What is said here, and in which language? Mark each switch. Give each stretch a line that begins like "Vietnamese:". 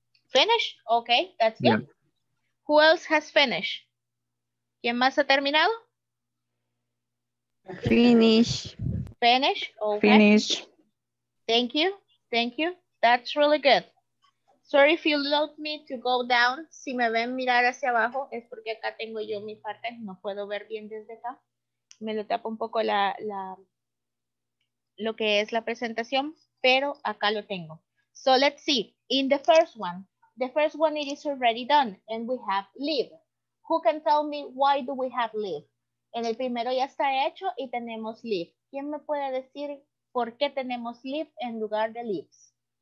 English: Finish? Okay, that's good. Yeah. Who else has finished?
Spanish: ¿Quién más ha terminado?
English: Finish. Finish? Okay. Finish. Thank you. Thank you. That's really good. Sorry if you allowed me to go down.
Spanish: Si me ven mirar hacia abajo, es porque acá tengo yo mi parte. No puedo ver bien desde acá. Me lo tapa un poco lo que es la presentación, pero acá lo tengo.
English: So let's see. In the first one it is already done, and we have leave. Who can tell me why do we have leave?
Spanish: En el primero ya está hecho y tenemos leave. ¿Quién me puede decir por qué tenemos leave en lugar de leaves?